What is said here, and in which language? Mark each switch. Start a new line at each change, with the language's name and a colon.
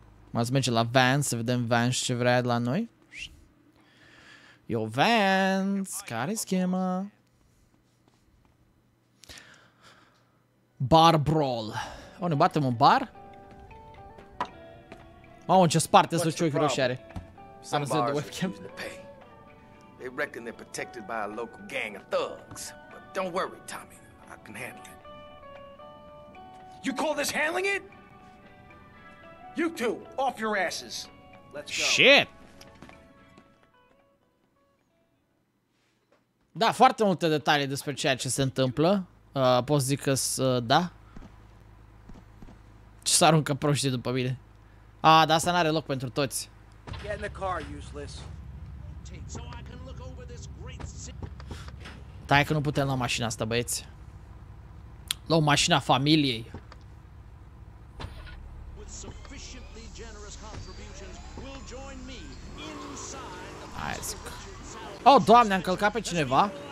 Romanian: Mai să mergem la Vans, să vedem Vans ce vrea de la noi. Yo, Vans, care-i schema? Bar Brawl. O, ne batem un bar? Mamă, ce sparte să ciochi roșiare.
English: Some bars are choosing to pay. They reckon they're protected by a local gang of thugs. But don't worry, Tommy. I can handle it. You call this handling it? You two, off your asses. Let's go. Shit!
Romanian: Da, foarte multe detalii despre ceea ce se întâmplă. Poți zic că-s, da? Ce s-aruncă proștii după mine? Ah, dar asta n-are loc pentru toți.
English: Get in the car, useless. So I can look over this great city.
Romanian: Taie că nu putem lua mașina asta, băieți. Luăm mașina familiei. Oh, Doamne, am călcat pe cineva.